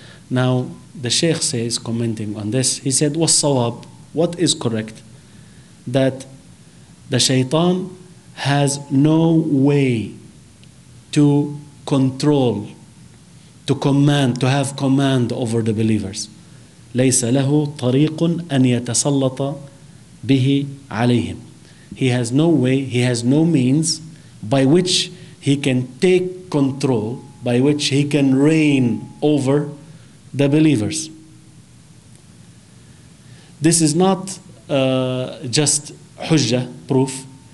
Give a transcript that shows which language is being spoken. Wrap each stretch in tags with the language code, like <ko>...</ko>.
<en>Now, the Sheikh says, commenting on this, he said,</en> <ar>والصواب,</ar> <en>what is correct? That the Shaytan has no way to control, to command, to have command over the believers.</en> <ar>ليس له طريق أن يتسلط به عليهم.</ar> <en>He has no way, he has no means by which he can take control, by which he can reign over the believers. This is not just hujjah, proof.</en>